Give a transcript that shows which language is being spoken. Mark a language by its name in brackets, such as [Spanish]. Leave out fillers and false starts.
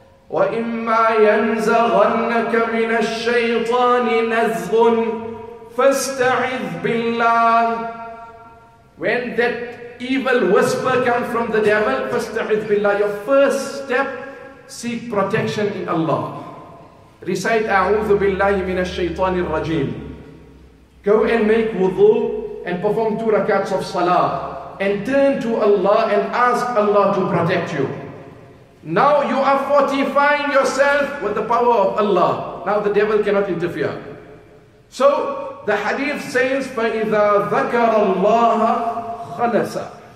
[Arabic] وَإِمَّا يَنْزَغَنَّكَ مِنَ الشَّيْطَانِ نَزْغٌ فَاسْتَعِذْ بِاللَّهِ. [English] When that evil whisper comes from the devil, [Arabic] فَاسْتَعِذْ بِاللَّهِ, [English] your first step, seek protection in Allah. Recite, [Arabic] أَعُوذُ بِاللَّهِ مِنَ الشَّيْطَانِ الرَّجِيمِ. [English] Go and make wudu and perform two rakats of salah and turn to Allah and ask Allah to protect you. Now you are fortifying yourself with the power of Allah. Now the devil cannot interfere. So the hadith says, [Arabic] فَإِذَا ذَكَرَ اللَّهَ خَنَسَ.